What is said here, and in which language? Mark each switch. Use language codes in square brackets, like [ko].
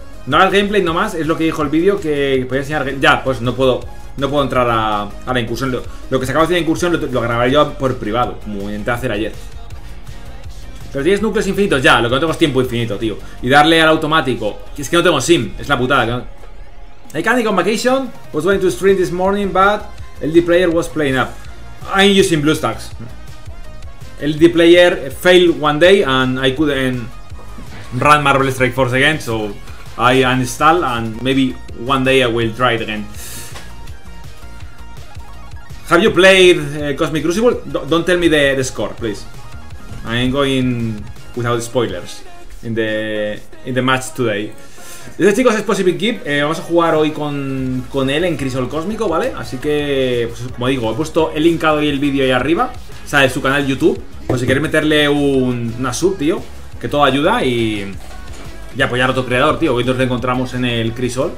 [es] No hagas gameplay nomás, es lo que dijo el vídeo, que podía enseñar. Ya, pues no puedo entrar a la incursión. Lo que se acaba de hacer en la incursión lo grabaré yo por privado, como intenté hacer ayer. Pero tienes núcleos infinitos, ya, lo que no tengo es tiempo infinito, tío. Y darle al automático, es que no tengo sim, es la putada. [en] I can't go on vacation, was going to stream this morning, but LD player was playing up. I'm using BlueStacks. LD player failed one day and I couldn't run Marvel Strike Force again, so I uninstall and maybe one day I will try it again. Have you played Cosmic Crucible? Don't tell me the score, please. I'm going without spoilers in the match today. [es] Este chico es Possible Keep. Vamos a jugar hoy con él en Crisol Cósmico, ¿vale? Así que, pues, como digo, he puesto el linkado y el vídeo ahí arriba. O sea, de su canal YouTube. Pues si quieres meterle una sub, tío. Que todo ayuda y apoyar a otro creador, tío. Hoy nos reencontramos en el Crisol.